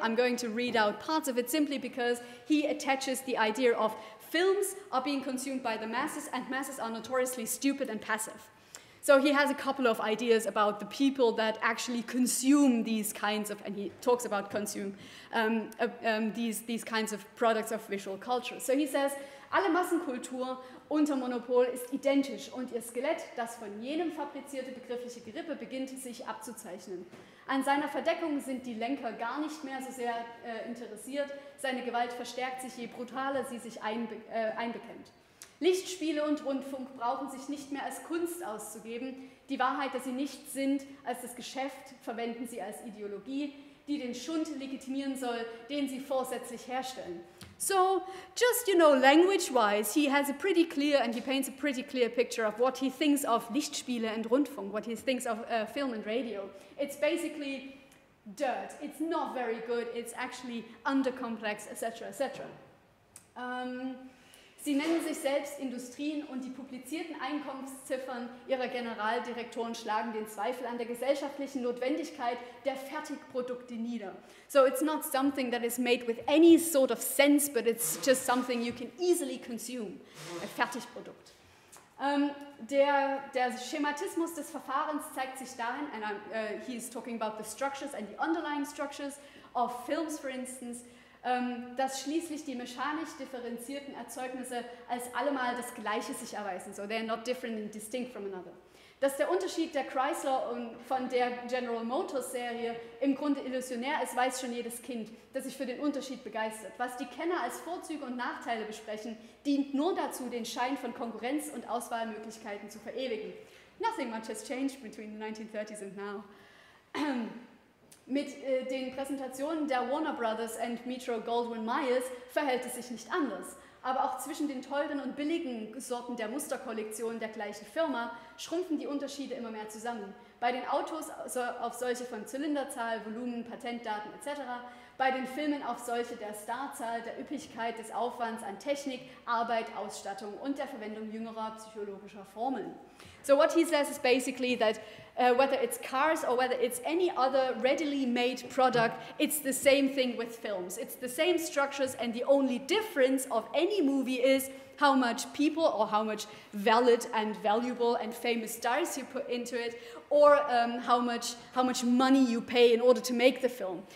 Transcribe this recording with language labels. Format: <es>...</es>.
<en>I'm going to read out parts of it simply because he attaches the idea of films are being consumed by the masses and masses are notoriously stupid and passive. So he has a couple of ideas about the people that actually consume these kinds of, and he talks about consume, these kinds of products of visual culture. So he says,</en> <de>alle Massenkultur unter Monopol ist identisch und ihr Skelett, das von jenem fabrizierte begriffliche Gerippe, beginnt sich abzuzeichnen. An seiner Verdeckung sind die Lenker gar nicht mehr so sehr interessiert. Seine Gewalt verstärkt sich, je brutaler sie sich einbekennt. Lichtspiele und Rundfunk brauchen sich nicht mehr als Kunst auszugeben. Die Wahrheit, dass sie nichts sind als das Geschäft, verwenden sie als Ideologie, die den Schund legitimieren soll, den sie vorsätzlich herstellen.</de> <en>So, just, you know, language-wise, he has a pretty clear, and he paints a pretty clear picture of what he thinks of Lichtspiele and Rundfunk, what he thinks of film and radio. It's basically dirt. It's not very good. It's actually under-complex, etc., etc.</en> <de>Sie nennen sich selbst Industrien und die publizierten Einkommensziffern ihrer Generaldirektoren schlagen den Zweifel an der gesellschaftlichen Notwendigkeit der Fertigprodukte nieder.</de> <en>So it's not something that is made with any sort of sense, but it's just something you can easily consume, a Fertigprodukt.</en> <de>Der Schematismus des Verfahrens zeigt sich darin,</de> <en>and he is talking about the structures and the underlying structures of films, for instance,</en> <de>dass schließlich die mechanisch differenzierten Erzeugnisse als allemal das Gleiche sich erweisen.</de> <en>So they are not different and distinct from another.</en> <de>Dass der Unterschied der Chrysler und von der General Motors Serie im Grunde illusionär ist, weiß schon jedes Kind, das sich für den Unterschied begeistert. Was die Kenner als Vorzüge und Nachteile besprechen, dient nur dazu, den Schein von Konkurrenz und Auswahlmöglichkeiten zu verewigen.</de> <en>Nothing much has changed between the 1930s and now.</en> <de>Mit den Präsentationen der Warner Brothers und Metro-Goldwyn-Mayers verhält es sich nicht anders. Aber auch zwischen den teuren und billigen Sorten der Musterkollektion der gleichen Firma schrumpfen die Unterschiede immer mehr zusammen. Bei den Autos auf solche von Zylinderzahl, Volumen, Patentdaten etc., bei den Filmen auf solche der Starzahl, der Üppigkeit, des Aufwands an Technik, Arbeit, Ausstattung und der Verwendung jüngerer psychologischer Formeln.</de> <en>So what he says is basically that whether it's cars or whether it's any other readily made product, it's the same thing with films. It's the same structures, and the only difference of any movie is how much people or how much valid and valuable and famous stars you put into it, or how much money you pay in order to make the film.</en>